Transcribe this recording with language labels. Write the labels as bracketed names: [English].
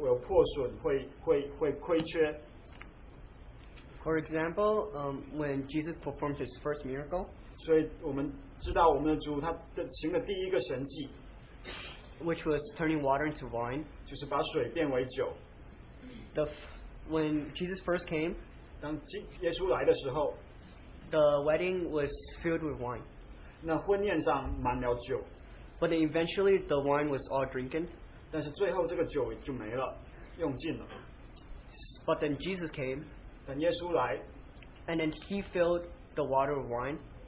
[Chinese] 如果是被世界上的事情来充满，我们这个杯早晚是会有破损，会亏缺。 [English] For example, when Jesus performed his first miracle, [Chinese] 所以我们知道我们的主他行的第一个神迹， [English] which was turning water into wine, [Chinese] 就是把水变为酒。 [English] When Jesus first came, [Chinese] 当耶稣来的时候， [English] the wedding was filled with wine. [Chinese] 那婚宴上满了酒。 [English] But then eventually the wine was all drinking. [Chinese] 但是最后这个酒就没了，用尽了。 [English] But then Jesus came. [Chinese] 等耶稣来, [English] and then he filled the water with wine.